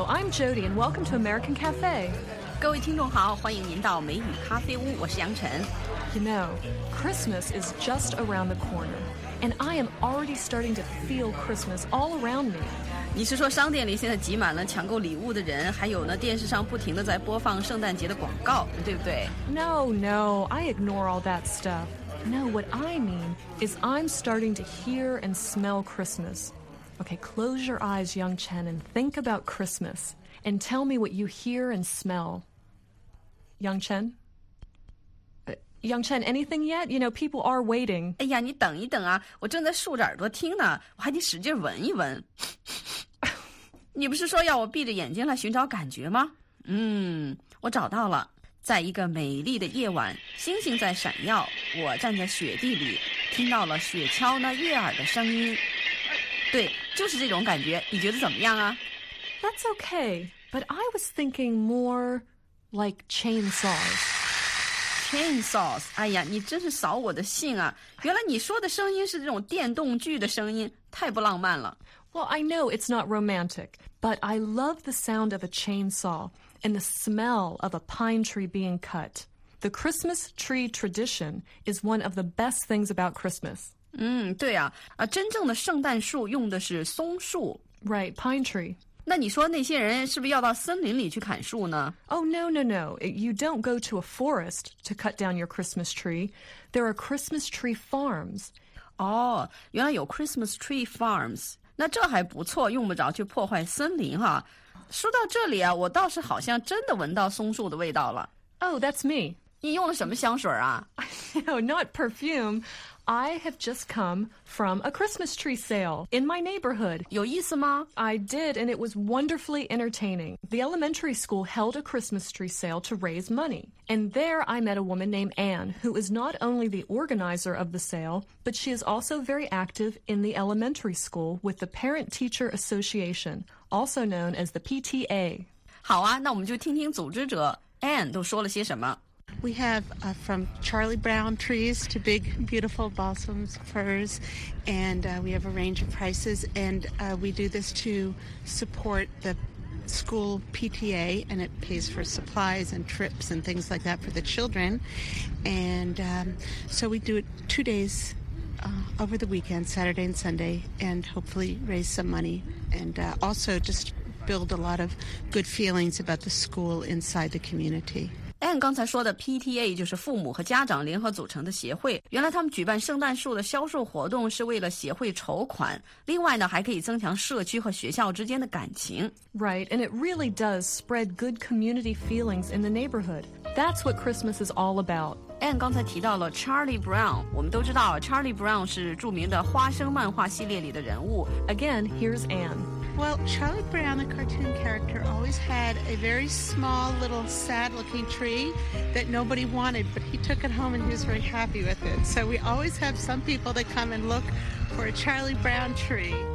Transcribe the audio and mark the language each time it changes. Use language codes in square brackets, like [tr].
[en] Jody, and welcome to American Cafe. [zh] 各位听众好，欢迎您到美语咖啡屋，我是杨晨。 [en] You know, Christmas is just around the corner, and I am already starting to feel Christmas all around me. [zh] 你是说商店里现在挤满了抢购礼物的人，还有呢，电视上不停地在播放圣诞节的广告，对不对 [en] ？No, no, I ignore all that stuff. No, what I mean is I'm starting to hear and smell Christmas. Okay, close your eyes, Yang Chen, and think about Christmas. And tell me what you hear and smell. Yang Chen? Yang Chen, anything yet? You know, people are waiting. [zh] 哎呀，你等一等啊，我正在竖着耳朵听呢，我还得使劲闻一闻。你不是说要我闭着眼睛来寻找感觉吗？嗯，我找到了。在一个美丽的夜晚，星星在闪耀，我站在雪地里，听到了雪橇那悦耳的声音。对，就是这种感觉，你觉得怎么样啊？ [en] That's okay, but I was thinking more like chainsaws. [zh] Chainsaws, 哎呀，你真是扫我的兴啊！原来你说的声音是这种电动锯的声音，太不浪漫了。 [en] Well, I know it's not romantic, but I love the sound of a chainsaw and the smell of a pine tree being cut. The Christmas tree tradition is one of the best things about Christmas. [zh] 嗯，对啊，啊，真正的圣诞树用的是松树。 [en] Right, pine tree. [zh] 那你说那些人是不是要到森林里去砍树呢 [en] ？Oh no no no! You don't go to a forest to cut down your Christmas tree. There are Christmas tree farms. [zh] 哦，原来有 [en] Christmas tree farms. [zh] 那这还不错，用不着去破坏森林哈。说到这里啊，我倒是好像真的闻到松树的味道了。 [en] Oh, that's me. [zh] 你用了什么香水啊 [en] ？No, not perfume. I have just come from a Christmas tree sale in my neighborhood. [zh] 有意思吗? [en] I did, and it was wonderfully entertaining. The elementary school held a Christmas tree sale to raise money. And there I met a woman named Anne, who is not only the organizer of the sale, but she is also very active in the elementary school with the Parent Teacher Association, also known as the PTA. [zh] 好啊,那我们就听听组织者 Anne 都说了些什么。 [en] We have from Charlie Brown trees to big, beautiful balsams, firs, and we have a range of prices. And we do this to support the school PTA, and it pays for supplies and trips and things like that for the children. And so we do it 2 days over the weekend, Saturday and Sunday, and hopefully raise some money. And also just build a lot of good feelings about the school inside the community. [zh] Anne 刚才说的 PTA 就是父母和家长联合组成的协会。原来他们举办圣诞树的销售活动是为了协会筹款。另外呢，还可以增强社区和学校之间的感情。 [en] Right, and it really does spread good community feelings in the neighborhood. That's what Christmas is all about. [zh] Anne 刚才提到了 Charlie Brown. 我们都知道 Charlie Brown 是著名的花生漫画系列里的人物。 [en] Again, here's Anne. Well, Charlie Brown, the cartoon character, always had a very small, little, sad-looking tree that nobody wanted, but he took it home and he was very happy with it. So we always have some people that come and look for a Charlie Brown tree.